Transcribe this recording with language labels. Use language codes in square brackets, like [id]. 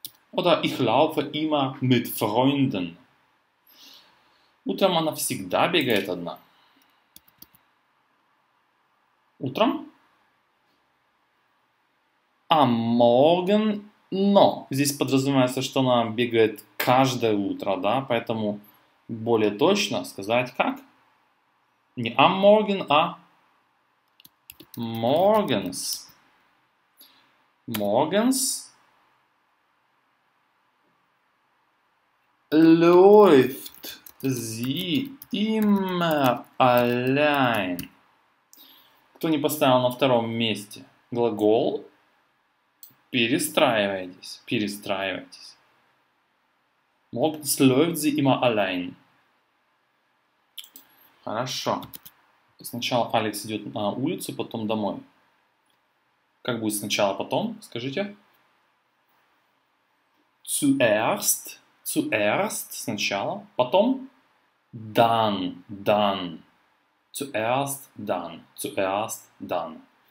[de] Oder ich laufe immer mit Freunden. [ru] Утром она всегда бегает одна. Утром? [de] Am morgen, но. [ru] Здесь подразумевается, что она бегает каждое утро, да? Поэтому более точно сказать как? Не am morgen, а... [de] Morgens. Morgens läuft sie immer allein. [ru] Кто не поставил на втором месте глагол, перестраивайтесь, перестраивайтесь. [de] Morgens läuft sie immer allein. [ru] Хорошо. Сначала Алекс идет на улицу, потом домой. Как будет сначала, потом? Скажите. [de] Zuerst. Zuerst. [ru] Сначала. Потом. [de] Dann. Dann. Zuerst. Dann. Zuerst. Dann.